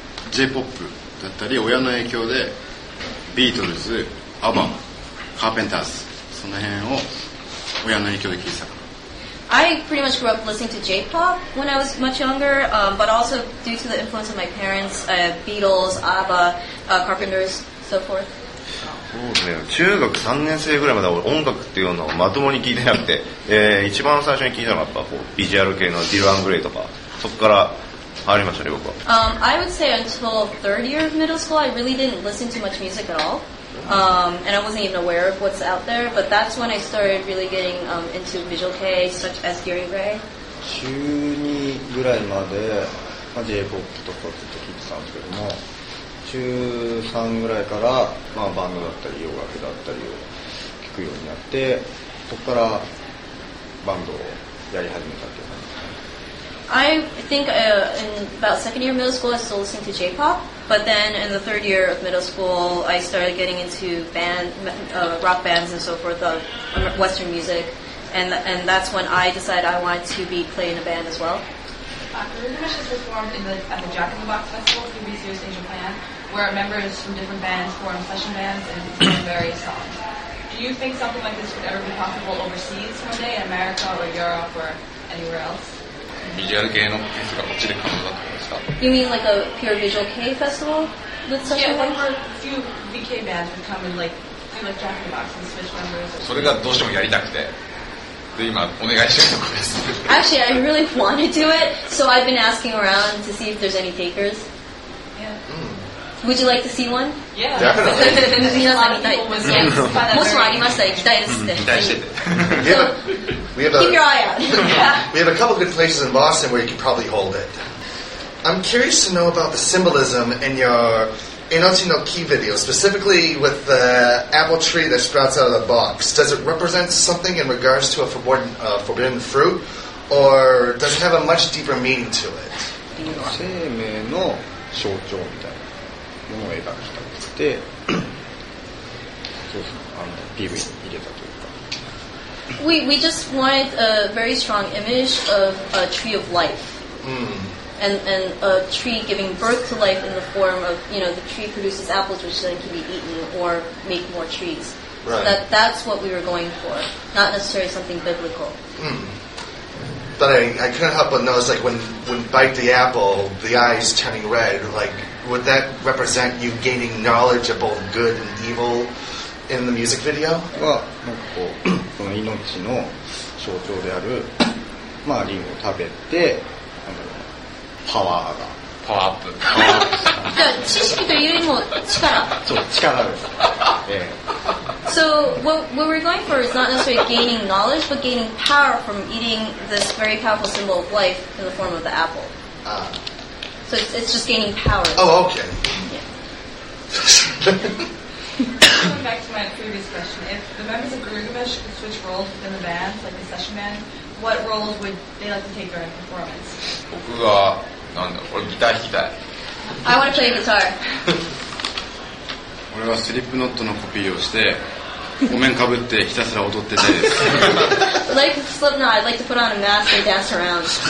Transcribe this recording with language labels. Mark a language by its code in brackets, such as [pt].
[ja] J-POP だったり親の影響でビートルズ、アバン、カーペンターズその辺を親の影響で聞いてたかな。 [en] I pretty much grew up listening to J-POP when I was much younger、but also due to the influence of my parents、Beatles, ABBA,、Carpenters, so forth。 [ja] そうですね、中学3年生ぐらいまで音楽っていうのをまともに聞いてなくて、一番最初に聞いたのがやっぱこうビジュアル系のディル・アン・グレイとか、そこからありましたね、僕は。 [en] I would say until third year of middle school, I really didn't listen to much music at all.、and I wasn't even aware of what's out there, but that's when I started really getting、into Visual K, such as Gary Gray. [ja] 中2ぐらいまで、まあ、J-POP とかずっと聴いてたんですけども、中3ぐらいから、まあ、バンドだったり、洋楽だったりを聴くようになって、そこからバンドをやり始めたっていう感じ。 [en] I think、in about second year of middle school, I was still listening to J-pop. But then in the third year of middle school, I started getting into band,、rock bands and so forth, of Western music. And that's when I decided I wanted to be playing a band as well. Rhythmish has performed at the Jack in the Box Festival, a TV series in Japan, where members from different bands form session bands and sing various songs. Do you think something like this would ever be possible overseas one day, in America or Europe or anywhere else? [ja] ビジュアル系のフェスがこっちで可能だと思いました。 [en] You mean like a pure visual K festival? With such yeah, a few VK bands would come and like do like Jack in the Box and Switch members. [ja] それがどうしてもやりたくて、で今お願いしたいところです。 [en] Actually, I really want to do it, so I've been asking around to see if there's any takers. Yeah. Would you like to see one? Yeah. Yeah. [ja] もしもありましたら行きたいですって。期待してて。 [en] We have a, keep your eye out. We have a couple good places in Boston where you could probably hold it. I'm curious to know about the symbolism in your Enoshi no Ki video, specifically with the apple tree that sprouts out of the box. Does it represent something in regards to a forbidden,、forbidden fruit, or does it have a much deeper meaning to it? [ja] 生命の象徴みたいなものを描きたくて、そうですね、PV に入れたというか。 [en] We just wanted a very strong image of a tree of life、and a tree giving birth to life in the form of, you know, the tree produces apples which then can be eaten or make more trees. Right. So that's what we were going for, not necessarily something biblical.、 But I couldn't help but notice, like, when bite the apple, the eyes turning red, like, would that represent you gaining knowledge of both good and evil? In the music video? [ja] はなんかこうその命の象徴であるまあリンゴを食べてあのパワーがパワーアップ。じゃあ知識というよりも力。そう力です。 [en] So what we're going for is not necessarily gaining knowledge, but gaining power from eating this very powerful symbol of life in the form of the apple. So it's just gaining power. Oh, okay. Going back to my previous question, if the members of Gurugamesh could switch roles within the band, like the session band, what roles would they like to take during performance? [ja] 僕は、なんだ、俺ギター弾きたい。 [en] I want to play guitar. [ja] 俺はスリップノットのコピーをして、お面かぶってひたすら踊ってたいです。 [en] Like Slipknot, I'd like to put on a mask and dance around.